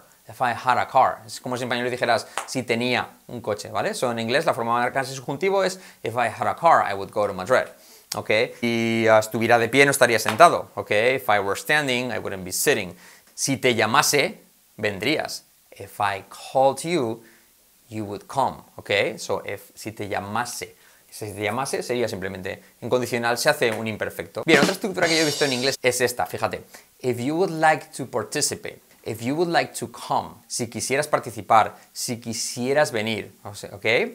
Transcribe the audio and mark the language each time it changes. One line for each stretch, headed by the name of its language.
English: If I had a car,
Spanish: es como si en español dijeras si tenía un coche, ¿vale?
English: So,
Spanish: en inglés la forma de marcar el subjuntivo es
English: if I had a car, I would go to Madrid. ¿Ok?
Spanish: Y estuviera de pie, no estaría sentado. ¿Ok?
English: If I were standing, I wouldn't be sitting.
Spanish: Si te llamase, vendrías.
English: If I called you, you would come. ¿Ok?
Spanish: So, si te llamase, sería simplemente en condicional, se hace un imperfecto. Bien, otra estructura que yo he visto en inglés es esta, fíjate.
English: If you would like to participate, if you would like to come, si quisieras participar, si quisieras venir, ¿ok?